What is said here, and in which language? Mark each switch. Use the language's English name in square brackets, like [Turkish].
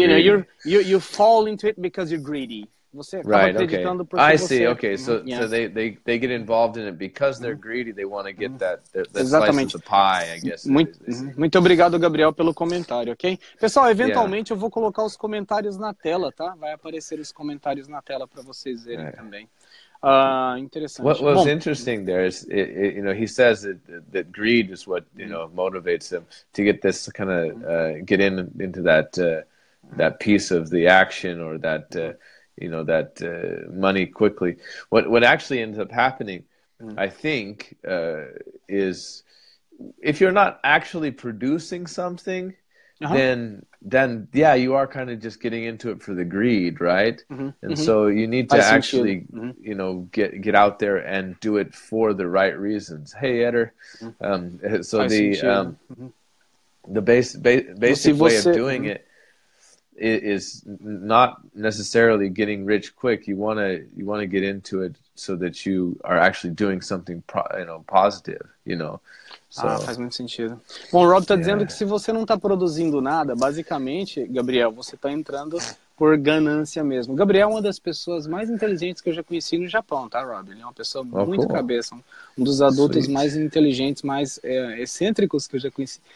[English] You know, you fall into it because you're greedy. [Portuguese] Você acaba [English] right, okay. [Portuguese] acreditando [English] I see, [Portuguese] você. [English] Okay. So, yeah. so they get involved in it because they're greedy. They want to get that slice of the pie, I guess. [Portuguese] Muito obrigado, Gabriel, pelo comentário, ok? Pessoal, eventualmente eu vou colocar os comentários na tela, tá? Vai aparecer os comentários na tela para vocês verem também. Interessante. [English] What was interesting there is, he says that greed is what, motivates them to get this kind of, get into that, that piece of the action or that... that money quickly. What actually ends up happening, I think, is if you're not actually producing something, uh-huh. then yeah, you are kind of just getting into it for the greed, right? Mm-hmm. And mm-hmm. so you need to actually, mm-hmm. Get out there and do it for the right reasons. Hey, Eder. Mm-hmm. The basic way of doing it. Is not necessarily getting rich quick. You want to get into it so that you are actually doing something positive, So, [Portuguese] faz muito sentido. Bom, o Rob está dizendo que se você não está produzindo nada, basicamente, Gabriel, você está entrando por ganância mesmo. Gabriel é uma das pessoas mais inteligentes que eu já conheci no Japão, tá, Rob? Ele é uma pessoa muito cabeça, um dos adultos Sweet. Mais inteligentes, mais excêntricos que eu já conheci.